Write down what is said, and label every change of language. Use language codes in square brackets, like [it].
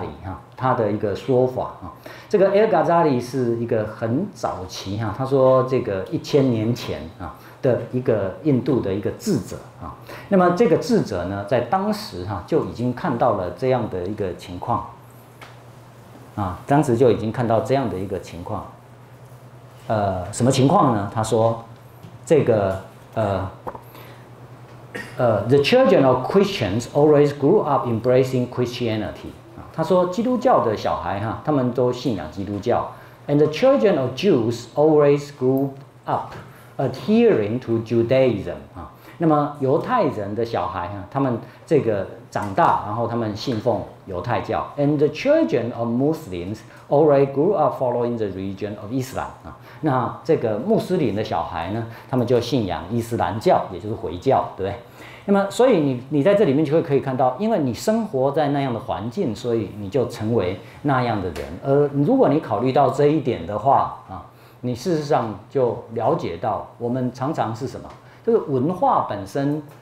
[zh] 哈、啊，他的一个说法啊，这个 Al Ghazali 是一个很早期哈、啊，他说这个1000年前啊的一个印度的一个智者啊，那么这个智者呢，在当时哈、啊、就已经看到了这样的一个情况啊，当时就已经看到这样的一个情况，什么情况呢？他说这个 [en] the children of Christians always grew up embracing Christianity. [zh] 他说基督教的小孩他们都信仰基督教。 [en] And the children of Jews always grew up adhering to Judaism. [zh] 那么犹太人的小孩他们这个长大然后他们信奉犹太教。 [en] And the children of Muslims always grew up following the religion of Islam. [zh] 那这个穆斯林的小孩呢他们就信仰伊斯兰教也就是回教对不对那么所以你在这里面就会可以看到因为你生活在那样的环境所以你就成为那样的人而如果你考虑到这一点的话啊，你事实上就了解到我们常常是什么就是文化本身